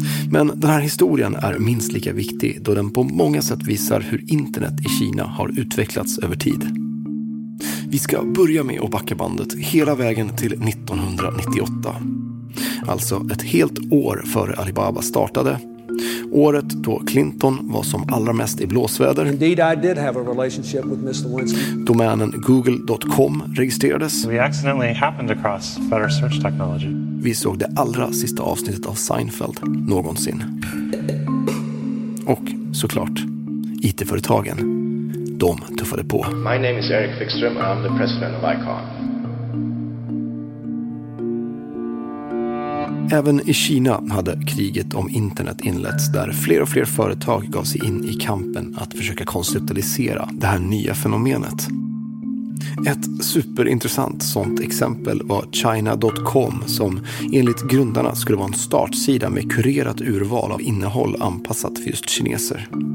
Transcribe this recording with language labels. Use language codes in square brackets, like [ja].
[sv] Men den här historien är minst lika viktig då den på många sätt visar hur internet i Kina har utvecklats över tid. Vi ska börja med att backa bandet hela vägen till 1998. Alltså ett helt år före Alibaba startade. Året då Clinton var som allra mest i blåsväder. [en] Indeed, I did have a relationship with Mr. Lewinsky. [sv] Domänen google.com registrerades. [en] We accidentally happened across better search technology. [sv] Vi såg det allra sista avsnittet av Seinfeld någonsin. Och såklart, IT-företagen, de tuffade på. [en] My name is Eric Fickström, I'm the president of Icon. [sv] Även i Kina hade kriget om internet inletts där fler och fler företag gav sig in i kampen att försöka konceptualisera det här nya fenomenet. Ett superintressant sånt exempel var China.com som enligt grundarna skulle vara en startsida med kurerat urval av innehåll anpassat för just kineser.